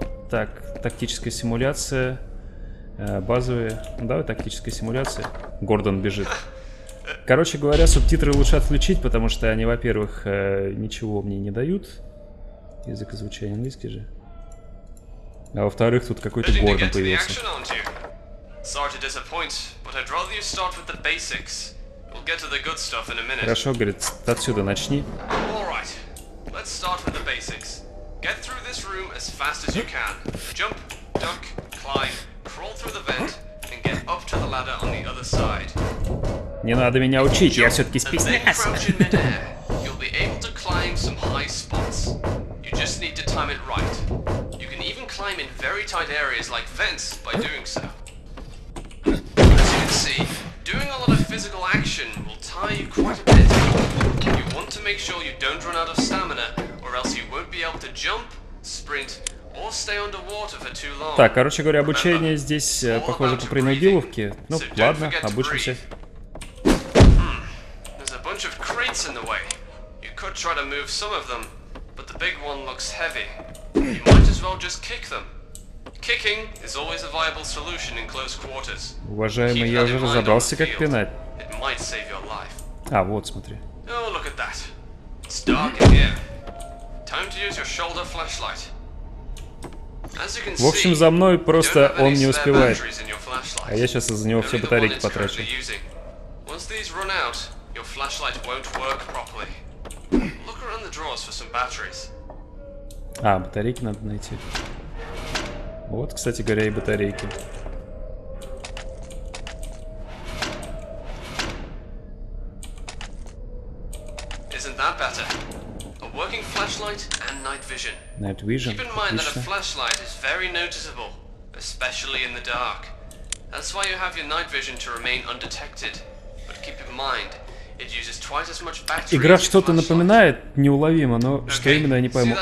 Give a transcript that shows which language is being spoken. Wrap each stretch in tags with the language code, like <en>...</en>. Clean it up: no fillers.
<ru>так, тактическая симуляция. Базовая. Ну, давай тактическая симуляция. Гордон бежит. Короче говоря, субтитры лучше отключить, потому что они, во-первых, ничего мне не дают. Язык звучания английский же. А во-вторых, тут какой-то Гордон появился.</ru> <en>Sorry to disappoint, but I'd rather you start with the basics. We'll get to the good stuff in a minute.</en> <ru>Хорошо, говорит, отсюда начни.</ru> <en>All right, let's start with the basics. Get through this room as fast as you can. Jump, duck, climb, crawl through the vent, and get up to the ladder on the other side.</en> <ru>Не надо меня учить, я все-таки спецназ.</ru> <en>You'll be able to climb some high just need to time it right. You can even climb in very tight areas like vents by doing so. As you can see, doing a lot of physical action will tire you quite a bit. You want to make sure you don't run out of stamina, or else you won't be able to jump, sprint, or stay underwater for too long.</en> <ru>Так, короче говоря, обучение здесь похоже по принудиловке. Ну, ладно, обучимся.</ru> <en>There's a bunch of crates in the way. You could try to move some of them, but the big one looks heavy. You might as well just kick them. Kicking is always a viable solution in close quarters.</en> <ru>Уважаемый, я уже разобрался, как пинать.</ru> <en>It might save your life.</en> <ru>А, вот, смотри.</ru> <en>Oh, look at that. It's dark in here. Time to use your shoulder flashlight.</en> <ru>В общем, за мной просто он не успевает. А я сейчас из-за него все батарейки потрачу.</ru> <en>Once these run out, your flashlight won't work properly. Look around the drawers for some batteries.</en> <ru>А, батарейки надо найти. Вот, кстати говоря, и батарейки.</ru> <en>Isn't that better? A working flashlight and night vision. Night vision. Keep in mind that a flashlight is very noticeable, especially in the dark. That's why you have your night vision to remain undetected. But keep in mind, it uses twice as much battery.</en> <ru>Игра что-то напоминает неуловимо, но что именно я не пойму.</ru>